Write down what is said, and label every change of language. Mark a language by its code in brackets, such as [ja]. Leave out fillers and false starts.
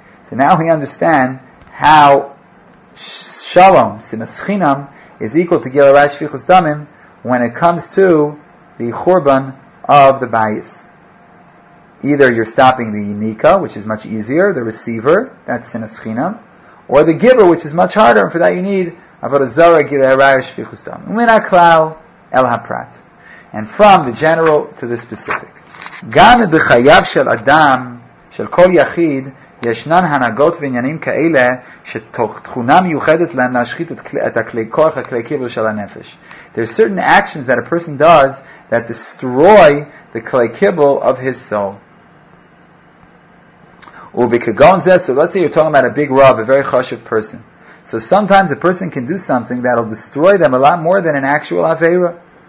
[en] So now we understand how shalom, sinas chinam, is equal to gilai rash fichus damim when it comes to the chorban of the bayis. Either you're stopping the yinika, which is much easier, the receiver, that's sinas chinam, or the giver, which is much harder, and for that you need avodah zarah, gilai rash fichus damim. [he] Umin haklal el haprat. [en] And from the general to the specific. [he] Gam b'chayav shel adam, shel kol yachid, ישנן הנהגות ועניינים כאלה שתכונה מיוחדת להם להשחית את הכלי כוח, הכלי קיבל של הנפש. [en] There are certain actions that a person does that destroy the clay kibble of his soul. [he] ובכגון זה, [en] so let's say you're talking about a big rav, a very chashuv person. So sometimes a person can do something that'll destroy them a lot more than an actual aveira.